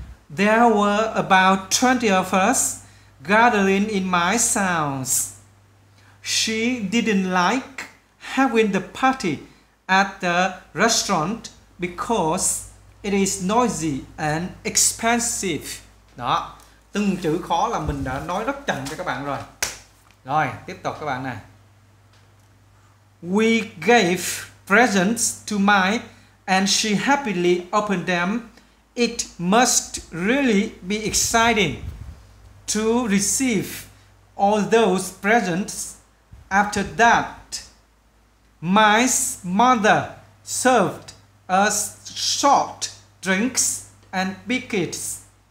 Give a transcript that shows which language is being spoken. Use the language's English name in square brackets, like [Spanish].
[English] There were about 20 of us gathering in my house. She didn't like having the party at the restaurant because it is noisy and expensive. [Vietnamese] Đó, từng chữ khó là mình đã nói rất chậm cho các bạn rồi. Rồi, tiếp tục các bạn nè. [English] We gave presents to Mai and she happily opened them. It must really be exciting to receive all those presents. After that, Mai's mother served us short drinks and biscuits.